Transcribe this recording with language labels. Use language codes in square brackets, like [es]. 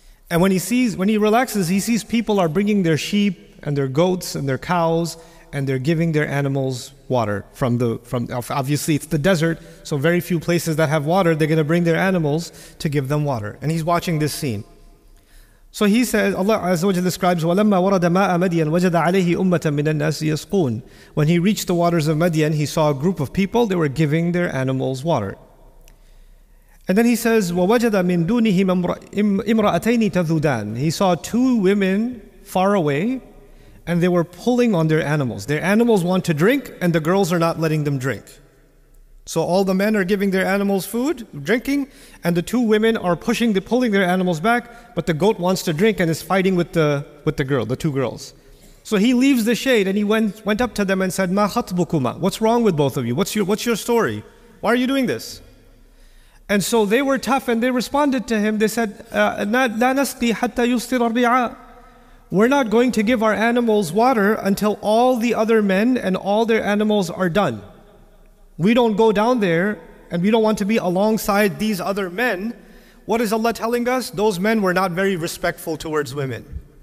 [en] And when he relaxes, he sees people are bringing their sheep and their goats and their cows, and they're giving their animals water from obviously it's the desert, so very few places that have water, they're going to bring their animals to give them water. And he's watching this scene. So he says, Allah Azza wa Jalla describes, [ar] وَلَمَّا وَرَدَ مَاءَ مَدْيَنَ وَجَدَ عَلَيْهِ أُمَّةً مِنَ النَّاسِ يَسْقُونَ. [en] When he reached the waters of Madian, he saw a group of people, they were giving their animals water. And then he says, [ar] وَوَجَدَ مِن دُونِهِمْ إِمْرَأَتَيْنِ تَذُودَانَ. [en] He saw two women far away, and they were pulling on their animals. Their animals want to drink, and the girls are not letting them drink. So all the men are giving their animals food, drinking, and the two women are pulling their animals back, but the goat wants to drink and is fighting with the two girls. So he leaves the shade, and he went up to them and said, [ar] مَا خَطْبُكُمَا. [en] What's wrong with both of you? What's your story? Why are you doing this? And so they were tough, and they responded to him. They said, [ar] لَا نَسْقِي حَتَّى يُسْتِرَ الرِّعَاءَ. [en] We're not going to give our animals water until all the other men and all their animals are done. We don't go down there, and we don't want to be alongside these other men. What is Allah telling us? Those men were not very respectful towards women.